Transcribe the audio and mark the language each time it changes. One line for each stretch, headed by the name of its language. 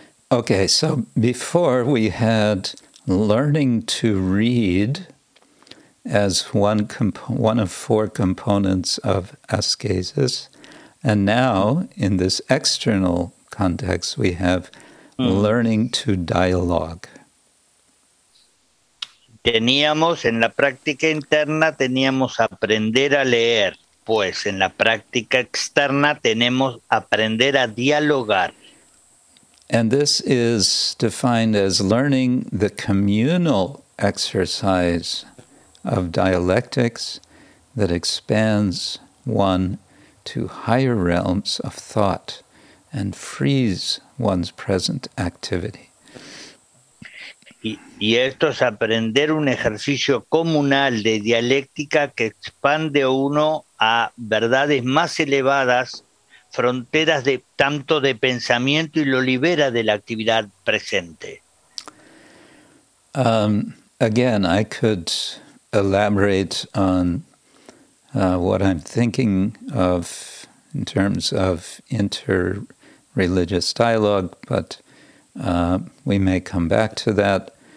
English: Okay, so before we had learning to read as one of four components of ascesis, and now in this external context we have learning to dialogue.
Spanish: Teníamos en la práctica interna teníamos aprender a leer. Pues en la práctica externa tenemos aprender a dialogar.
English: And this is defined as learning the communal exercise of dialectics that expands one to higher realms of thought and frees one's present activity.
Spanish: Y esto es aprender un ejercicio comunal de dialéctica que expande uno a verdades más elevadas, fronteras de tanto de pensamiento y lo libera de la actividad presente.
English: Again, I could elaborate on what I'm thinking of in terms of inter-religious dialogue, but we may come back to that.